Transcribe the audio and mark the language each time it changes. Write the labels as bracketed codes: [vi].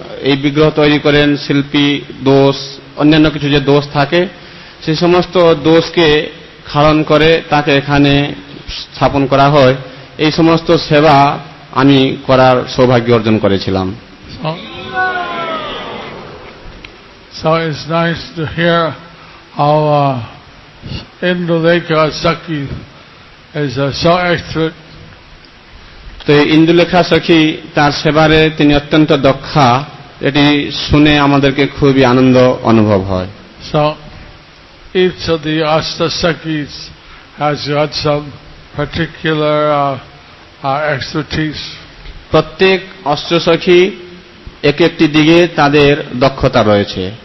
[bn] এই বিগ্রহ তৈরি করেন শিল্পী দোষ অন্যান্য কিছু যে দোষ থাকে সে সমস্ত দোষকে খারণ করে তাকে এখানে স্থাপন করা হয় এই সমস্ত সেবা আমি করার সৌভাগ্য অর্জন করেছিলাম। [en] So it's nice to hear how Indulekha Sakhi is so expert. [bn] তো ইন্দুলেখা সখি তার সেবারে তিনি অত্যন্ত দক্ষা এটি শুনে আমাদেরকে খুবই আনন্দ অনুভব হয়। [en] So each of the Asta Sakhis has got some particular expertise. [bn] প্রত্যেক অস্ত্র সখি এক একটি দিকে তাদের দক্ষতা রয়েছে।